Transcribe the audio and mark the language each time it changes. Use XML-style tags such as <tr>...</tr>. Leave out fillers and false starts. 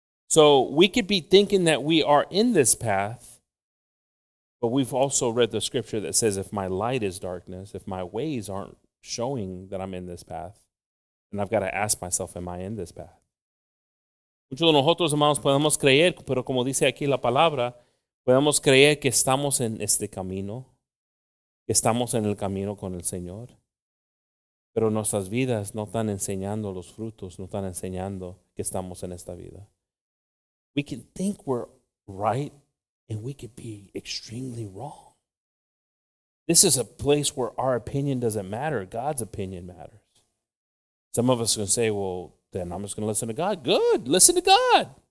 <en>So we could be thinking that we are in this path, but we've also read the scripture that says if my light is darkness, if my ways aren't showing that I'm in this path, then I've got to ask myself, am I in this path?</en> <es>Muchos de nosotros, hermanos, podemos creer, pero como dice aquí la palabra, podemos creer que estamos en este camino, que estamos en el camino con el Señor, pero nuestras vidas no están enseñando los frutos, no están enseñando que estamos en esta vida.</es> <en>We can think we're right, and we could be extremely wrong. This is a place where our opinion doesn't matter. God's opinion matters. Some of us can say, well, then I'm just going to listen to God. Good, listen to God.</en>